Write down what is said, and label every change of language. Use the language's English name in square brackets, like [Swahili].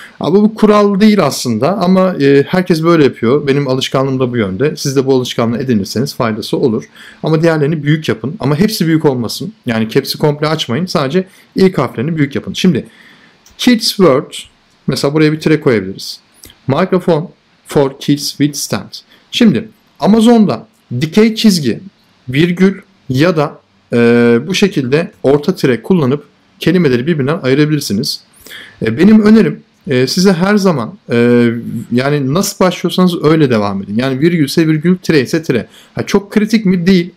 [Turkish] Ama bu kural değil aslında ama herkes böyle yapıyor. Benim alışkanlığım da bu yönde. Siz de bu alışkanlığı edinirseniz faydası olur. Ama diğerlerini büyük yapın. Ama hepsi büyük olmasın. Yani hepsi komple açmayın. Sadece ilk harflerini büyük yapın. Şimdi Kids World mesela buraya bir tire koyabiliriz. [English] Microphone for kids with stand. [Turkish] Şimdi Amazon'da dikey çizgi, virgül ya da bu şekilde orta tire kullanıp kelimeleri birbirinden ayırabilirsiniz. Benim önerim size her zaman yani nasıl başlıyorsanız öyle devam edin. Yani virgülse virgül, tire ise tire. Ha, çok kritik mi? Değil.